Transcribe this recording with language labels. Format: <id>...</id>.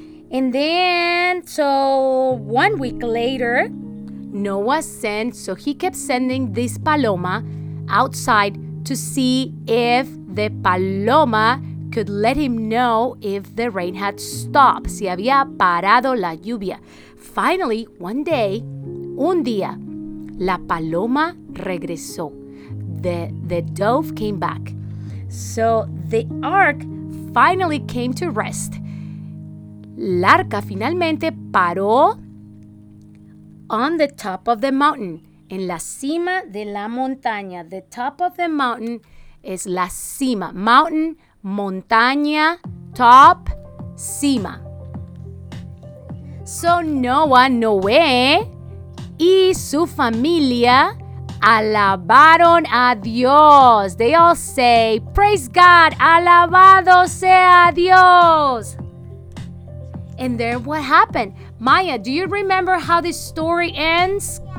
<en>And then, so one week later, Noah sent, so he kept sending this paloma outside to see if the paloma could let him know if the rain had stopped.</en> <es>Si había parado la lluvia.</es> <en>Finally, one day,</en> <es>un día, la paloma regresó.</es> <en>The dove came back. So the ark finally came to rest.</en> <es>La arca finalmente paró</es> <en>on the top of the mountain.</en> <es>En la cima de la montaña.</es> <en>The top of the mountain is</en> <es>la cima.</es> <en>Mountain, montaña, top, cima.</en> <es>So Noah, Noé y su familia alabaron a Dios.</es> <en>They all say, praise God,</en> <es>alabado sea Dios.</es> <en>And then what happened? Maya, do you remember how this story ends?</en>